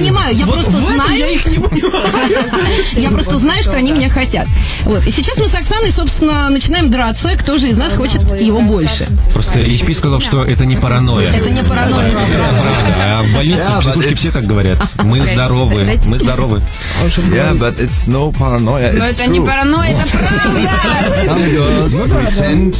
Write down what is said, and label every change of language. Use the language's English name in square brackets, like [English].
[Russian] Не понимаю, я просто знаю. Я их не понимаю. Я просто знаю, что они меня хотят. Вот. И сейчас мы с Оксаной, собственно, начинаем драться, кто же из нас хочет его больше. Просто HP сказал, что это не паранойя. Это не паранойя. А в больнице психушки все так говорят. Мы здоровы. Мы здоровы. [English] Yeah, but it's no paranoia. [Russian] Но это не паранойя, это правда.